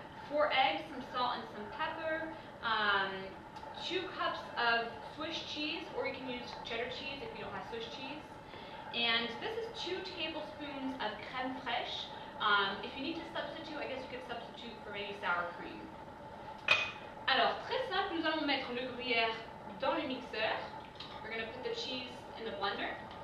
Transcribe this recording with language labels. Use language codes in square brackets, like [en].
[en] 4 eggs, some salt and some pepper. 2 cups of Swiss cheese, or you can use cheddar cheese if you don't have Swiss cheese. And this is 2 tablespoons of crème fraîche. If you need to substitute, I guess you could substitute for maybe sour cream. [fr] Alors, très simple, nous allons mettre le gruyère dans le mixeur. [en] We're going to put the cheese in the blender.